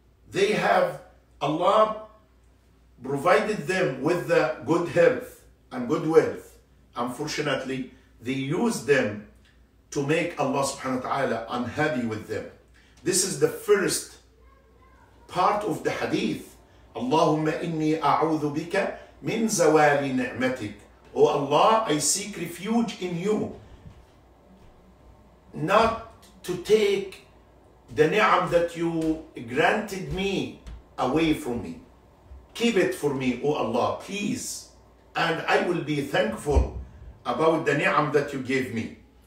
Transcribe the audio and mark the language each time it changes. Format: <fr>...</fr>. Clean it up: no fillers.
<en>They have, Allah provided them with the good health and good wealth. Unfortunately, they use them to make Allah subhanahu wa ta'ala unhappy with them. This is the first part of the hadith.</en> <ar>اللهم إني أعوذ بك من زوال نعمتك.</ar> <en>Oh Allah, I seek refuge in you, not to take the ni'am that you granted me away from me. Keep it for me, oh Allah, please. And I will be thankful about the ni'am that you gave me.</en>